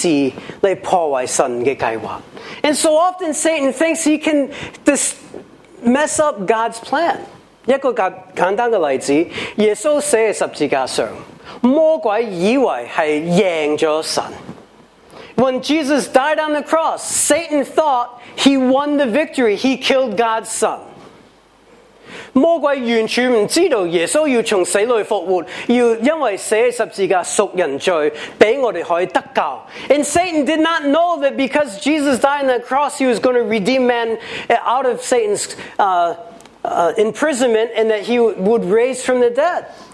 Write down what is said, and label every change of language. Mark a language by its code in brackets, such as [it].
[yue] 魔鬼呢，就好多时候就系以为可以做啲事嚟破坏神嘅计划。 [en] And so often, Satan thinks he can mess up God's plan. [yue] 一个简单嘅例子，耶稣死喺十字架上，魔鬼以为系赢咗神。 [en] When Jesus died on the cross, Satan thought he won the victory. He killed God's son. [yue] 魔鬼完全唔知道耶稣要从死里复活，要因为死喺十字架赎人罪，俾我哋可以得救。 [en] And Satan did not know that because Jesus died on the cross, he was going to redeem man out of Satan's imprisonment and that he would raise from the dead.